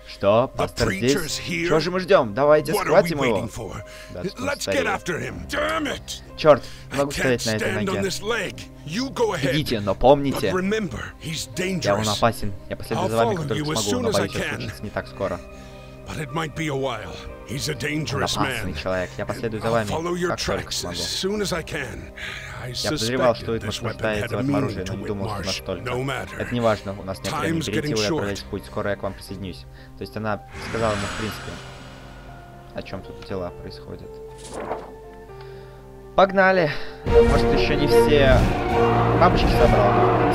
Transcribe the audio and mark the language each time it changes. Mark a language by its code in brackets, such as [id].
[ru] Что? Пастор здесь? Чего же мы ждем? Давайте схватим его. Да, тут черт, не могу стоять на этой ноге. Идите, но помните. [en] Remember, [ru] я он опасен. Я последую за вами, как только смогу, но боюсь, что случится не так скоро. [en] But it might be a while. He's a dangerous man. I'll follow your tracks as soon as I can. I suspected this weapon had a meaning to Whitmarsh. No matter. It's not important. Time's getting short. [ru] Скоро я к вам присоединюсь. То есть она сказала ему в принципе, о чем тут дела происходят. Погнали. Может еще не все бабочки собрал.